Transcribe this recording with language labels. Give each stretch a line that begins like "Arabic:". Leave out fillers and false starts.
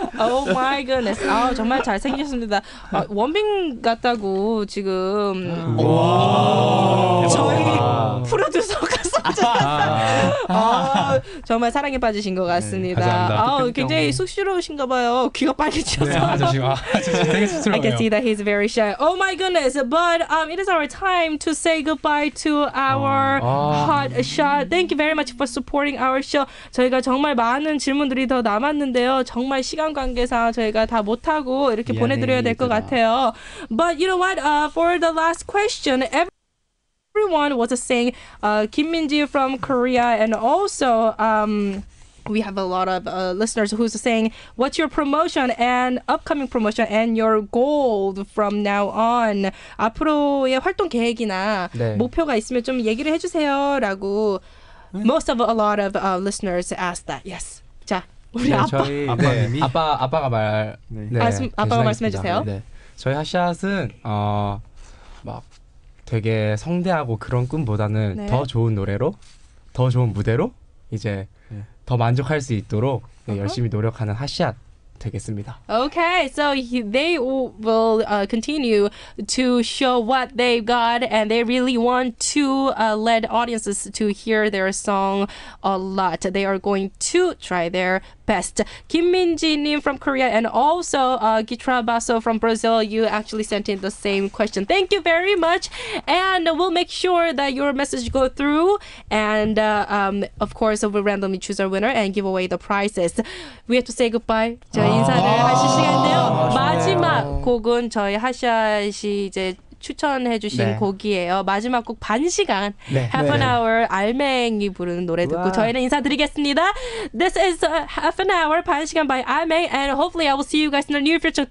English: 오 마이 굿넷
Korean: 아 정말 잘 생기셨습니다 아, 원빈 같다고 지금 와 저희 프로듀서가 아, 정말 사랑에 빠지신 것 같습니다. 네, 아우, 굉장히 쑥스러우신가 봐요. 귀가 빨개져서. 네, 아저씨, 아, 되게 쑥스러워요.
English: I can see that he's very shy. Oh my goodness. But it is our time to say goodbye to our hot shot. Thank you very much for supporting our show.
Korean: 저희가 정말 많은 질문들이 더 남았는데요. 정말 시간 관계상 저희가 다 못하고 이렇게 미안해, 보내드려야 될 것 같아요.
English: But you know what? For the last question, everyone was saying Kim Minji from Korea and also we have a lot of listeners who's saying what's your promotion and upcoming promotion and your goal from now on
Korean: 앞으로의 활동 계획이나 네. 목표가 있으면 좀 얘기를 해주세요 라고
English: most of a lot of listeners asked that yes
Korean: 자 우리 네, 아빠 저희, 네, 아빠가 말 네. 네, 아빠가 말씀해 주세요 네. 저희 핫샷은 막 되게 성대하고 그런 꿈보다는 네. 더 좋은 노래로, 더 좋은 무대로 이제 더 만족할 수 있도록 uh-huh. 열심히 노력하는 핫샷 되겠습니다.
English: Okay, so they will continue to show what they've got and they really want to let audiences to hear their song a lot. They are going to try their best. Kim Minji-nim from Korea and also Guitra Basso from Brazil, you actually sent in the same question. Thank you very much. And we'll make sure that your message go through. And of course, we'll randomly choose our winner and give away the prizes. We have to say goodbye.
Korean: 저희 인사를 하실 시간인데요. 마지막 곡은 저희 하샤 씨 이제 추천해 주신 네. 곡이에요. 마지막 곡 반시간 네.
English: Half an
Korean: 네.
English: hour
Korean: 알맹이 부르는 노래 듣고 우와. 저희는 인사드리겠습니다.
English: This is Half an hour 반시간 by 알맹 and hopefully I will see you guys in the near future.